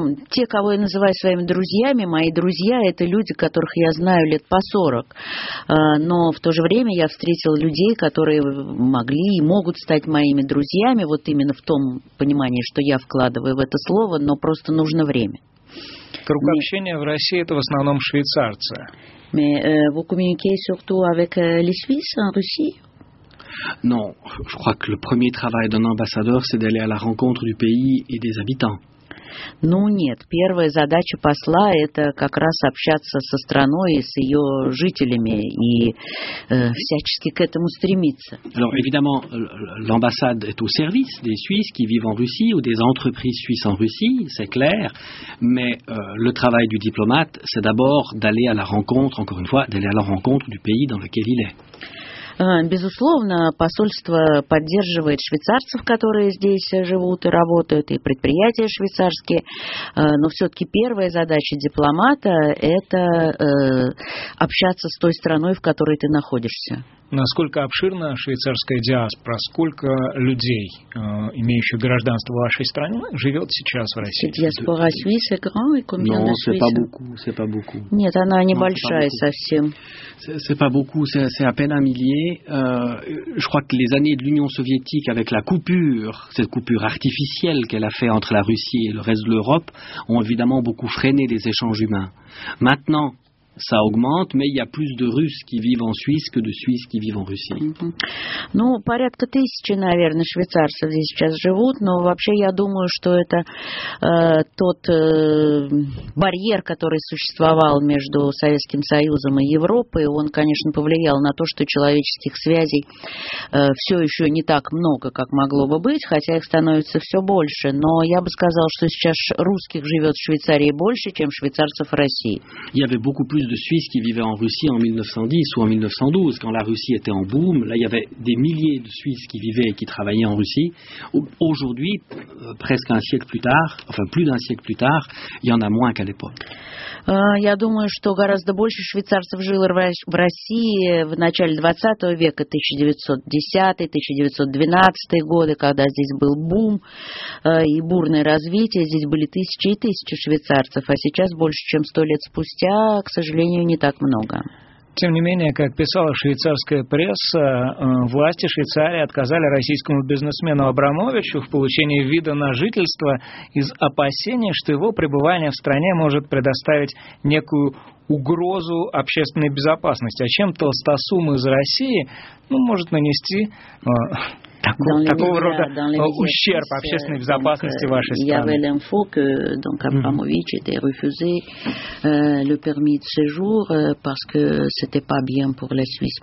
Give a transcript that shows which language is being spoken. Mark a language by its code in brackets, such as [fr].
[ru] Те, кого я называю своими друзьями, мои друзья, это люди, которых я знаю лет по 40. Но в то же время я встретил людей, которые могли и могут стать моими друзьями, вот именно в том понимании, что я вкладываю в это слово, но просто нужно время. Круг общения в России это в основном швейцарцы. [fr] Vous communiquez surtout avec les Suisses en Russie? Non, je crois que le premier travail d'un ambassadeur, c'est d'aller à la rencontre du pays et des habitants. [ru] Ну нет, первая задача посла это как раз общаться со страной и с ее жителями и всячески к этому стремиться. [fr] Alors évidemment, l'ambassade est au service des Suisses qui vivent en Russie ou des entreprises suisses en Russie, c'est clair. Mais le travail du diplomate, c'est d'abord d'aller à la rencontre, encore une fois, d'aller à la rencontre du pays dans lequel il est. [ru] Безусловно, посольство поддерживает швейцарцев, которые здесь живут и работают, и предприятия швейцарские. Но все-таки первая задача дипломата – это общаться с той страной, в которой ты находишься. Насколько обширна швейцарская диаспора? Сколько людей, имеющих гражданство в вашей стране, живет сейчас в России? [fr] Cette diaspora suisse est grande et combien de Suisses? Non, c'est pas beaucoup, c'est pas beaucoup. [ru] Нет, она небольшая совсем. [fr] C'est pas beaucoup, c'est à peine un millier. Je crois que les années de l'Union soviétique avec la coupure, cette coupure artificielle qu'elle a fait entre la Russie et le reste de l'Europe, ont évidemment beaucoup freiné les échanges humains. Maintenant, ça augmente, mais il y a plus de Russes qui vivent en Suisse que de Suisses qui vivent en Russie. [ru] Ну, порядка тысячи, наверное, швейцарцев здесь сейчас живут, но вообще я думаю, что это тот барьер, который существовал между Советским Союзом и Европой, он, конечно, повлиял на то, что человеческих связей все еще не так много, как могло бы быть, хотя их становится все больше. Но я бы сказал, что сейчас русских живет в Швейцарии больше, чем швейцарцев в России. [fr] Il y avait beaucoup plus de Suisses qui vivaient en Russie en 1910 ou en 1912, quand la Russie était en boom. Là, il y avait des milliers de Suisses qui vivaient et qui travaillaient en Russie. Aujourd'hui, presque un siècle plus tard, enfin plus d'un siècle plus tard, il y en a moins qu'à l'époque. [ru] Я думаю, что гораздо больше швейцарцев жило в России в начале 20 века, 1910-1912 годы, когда здесь был бум и бурное развитие. Здесь были тысячи и тысячи швейцарцев, а сейчас больше, чем 100 лет спустя, к сожалению, не так много. Тем не менее, как писала швейцарская пресса, власти Швейцарии отказали российскому бизнесмену Абрамовичу в получении вида на жительство из опасения, что его пребывание в стране может предоставить некую угрозу общественной безопасности. А чем толстосум из России, ну, может нанести ущерб общественной безопасности вашей страны. [fr] Il y avait l'info que donc Abramovich était refusé le permis de séjour parce que c'était pas bien pour la Suisse.